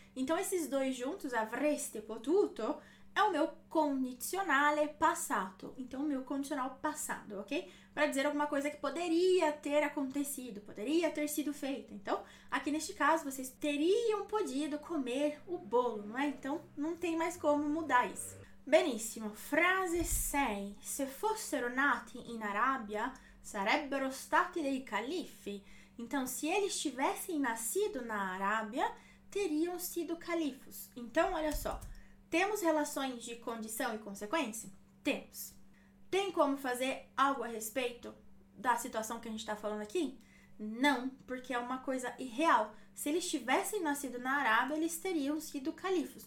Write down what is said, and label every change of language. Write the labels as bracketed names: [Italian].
[Portuguese] Então, esses dois juntos, avreste potuto, é o meu condizionale passato. Então, o meu condicional passado, ok? Para dizer alguma coisa que poderia ter acontecido, poderia ter sido feita. Então, aqui neste caso, vocês teriam podido comer o bolo, não é? Então, não tem mais como mudar isso. [Italian] Benissimo. Frase 6. Se fossero nati in Arabia, sarebbero stati dei califi. [Portuguese] Então, se eles tivessem nascido na Arábia, teriam sido califos. Então, olha só. Temos relações de condição e consequência? Temos. Tem como fazer algo a respeito da situação que a gente está falando aqui? Não, porque é uma coisa irreal. Se eles tivessem nascido na Arábia, eles teriam sido califas.